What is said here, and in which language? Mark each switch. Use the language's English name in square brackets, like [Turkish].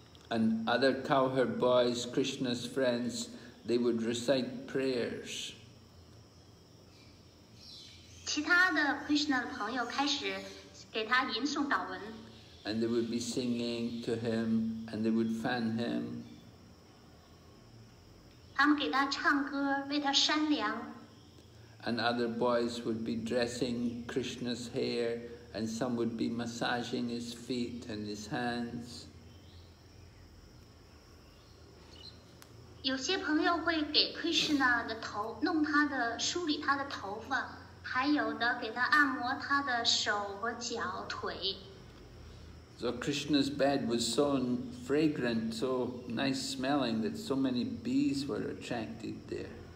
[English] And other cowherd boys, Krishna's friends, they would recite prayers. [Chinese] 其他的 Krishna的朋友开始给他吟诵祷文。 [English] And they would be singing to him, and they would fan him. [Chinese] 他们给他唱歌，为他扇凉。 [English] And other boys would be dressing Krishna's hair, and some would be massaging his feet and his hands. [Chinese] 有些朋友会给 Krishna的头，弄他的，梳理他的头发。还有的给他按摩他的手和脚腿。 [English] So Krishna's bed was so fragrant, so nice smelling that so many bees were attracted there.